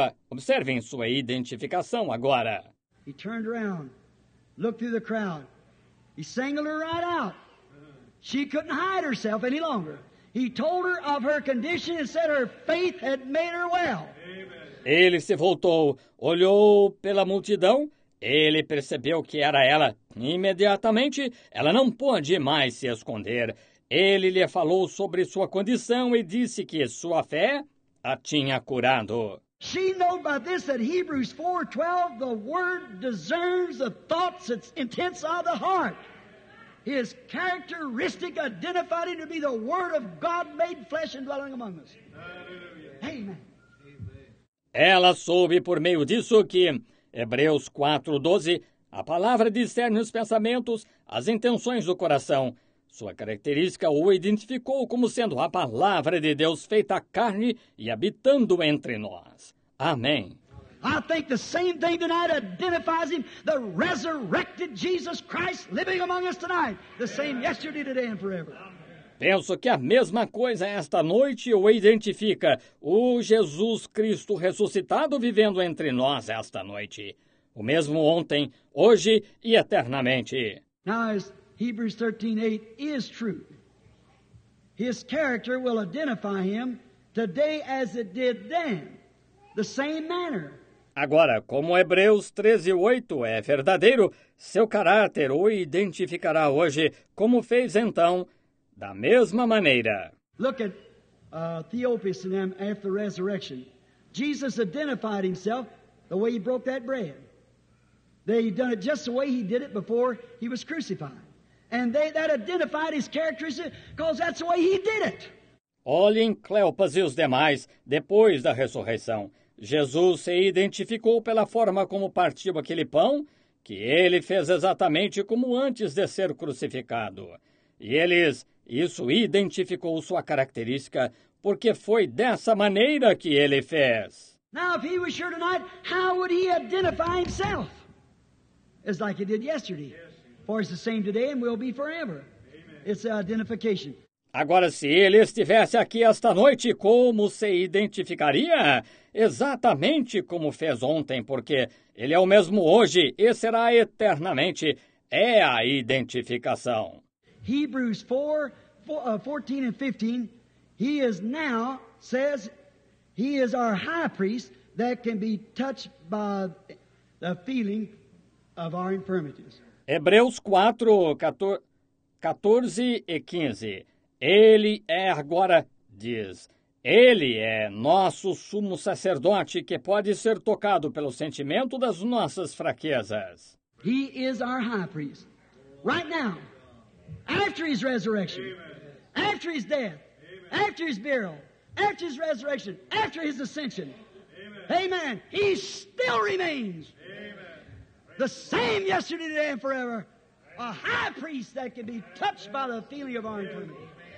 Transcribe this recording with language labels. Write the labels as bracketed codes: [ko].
[pt] Observem sua identificação agora. [en] He turned around, looked through the crowd. He singled her right out. She couldn't hide herself any longer. He told her of her condition and said her faith had made her well. [pt] Ele se voltou, olhou pela multidão. Ele percebeu que era ela. Imediatamente, ela não pôde mais se esconder. Ele lhe falou sobre sua condição e disse que sua fé a tinha curado. [en] She knew by this that Hebrews 4:12, the word discerns the thoughts and intents of the heart. His characteristic identified him to be the word of God made flesh and dwelling among us. Amen. Amen. [pt] Ela soube por meio disso que, Hebreus 4:12, a palavra discerne os pensamentos, as intenções do coração. Sua característica o identificou como sendo a palavra de Deus feita carne e habitando entre nós. Amém. [en] I think the same thing tonight identifies him, the resurrected Jesus Christ living among us tonight. The same yesterday, today, and forever. [pt] Penso que a mesma coisa esta noite o identifica, o Jesus Cristo ressuscitado vivendo entre nós esta noite. O mesmo ontem, hoje e eternamente. [en] Now, as Hebrews 13:8 is true, his character will identify him today as it did then, the same manner. [pt] Agora, como Hebreus 13:8 é verdadeiro, seu caráter o identificará hoje, como fez então, da mesma maneira. [en] Look at Theophilus and them after the resurrection. Jesus identified himself the way he broke that bread. They done it just the way he did it before he was crucified. And that identified his characteristics because that's the way he did it. [pt] Olhem Cleopas e os demais depois da ressurreição. Jesus se identificou pela forma como partiu aquele pão, que ele fez exatamente como antes de ser crucificado. E eles, isso identificou sua característica, porque foi dessa maneira que ele fez. [en] Now, if he was here tonight, how would he identify himself? It's like he did yesterday. For it's the same today and will be forever. It's an identification. [pt] Agora, se ele estivesse aqui esta noite, como se identificaria? Exatamente como fez ontem, porque ele é o mesmo hoje e será eternamente. É a identificação. [en] Hebrews 4:14-15, he is now, says, he is our high priest that can be touched by the feeling of our infirmities. [pt] Hebreus 4:14-15. Ele é agora, diz, ele é nosso sumo sacerdote que pode ser tocado pelo sentimento das nossas fraquezas. [en] He is our high priest. Right now, after his resurrection, amen. After his death, amen. After his burial, after his resurrection, after his ascension, amen. Amen. He still remains, amen. The same yesterday, today, and forever, a high priest that can be touched by the feeling of our infirmity.